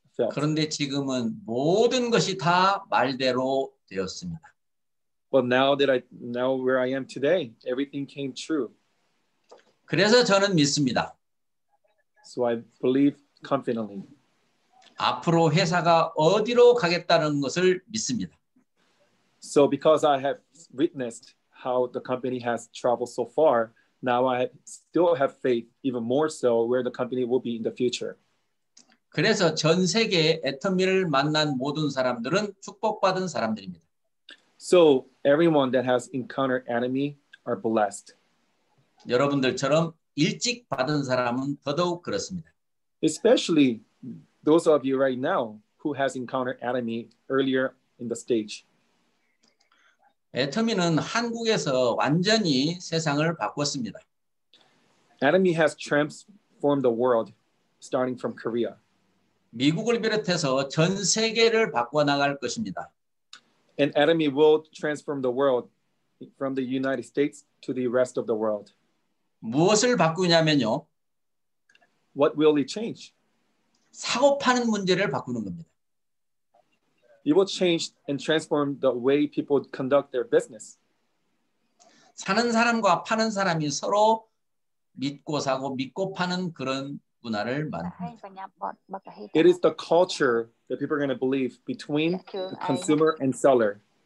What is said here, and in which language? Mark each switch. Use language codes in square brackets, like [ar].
[ko] 그런데 지금은 모든 것이 다 말대로 되었습니다. [en] But now where I am today, everything came true. [ko] 그래서 저는 믿습니다. [en] So I believe confidently. [ko] 앞으로 회사가 어디로 가겠다는 것을 믿습니다. [en] So because I have witnessed how the company has traveled so far, now I still have faith even more so where the company will be in the future. [ko] 그래서 전 세계 애터미를 만난 모든 사람들은 축복받은 사람들입니다. [en] So everyone that has encountered Atomy are blessed. [ko] 여러분들처럼 일찍 받은 사람은 더더욱 그렇습니다. [en] Especially those of you right now who has encountered Atomy earlier in the stage. [ko] 애터미는 한국에서 완전히 세상을 바꿨습니다. [en] Atomy has transformed the world starting from Korea. [ko] 미국을 비롯해서 전 세계를 바꿔 나갈 것입니다. [en] And Atomy will transform the world from the United States to the rest of the world. [ko] 무엇을 바꾸냐면요. [en] What will it change? [ko] 사업하는 문제를 바꾸는 겁니다. [en] It will change and transform the way people conduct their business. [ko] 사는 사람과 파는 사람이 서로 믿고 사고 믿고 파는 그런 문화를 만듭니다. [en] It is the culture that people are going to believe between the consumer and seller.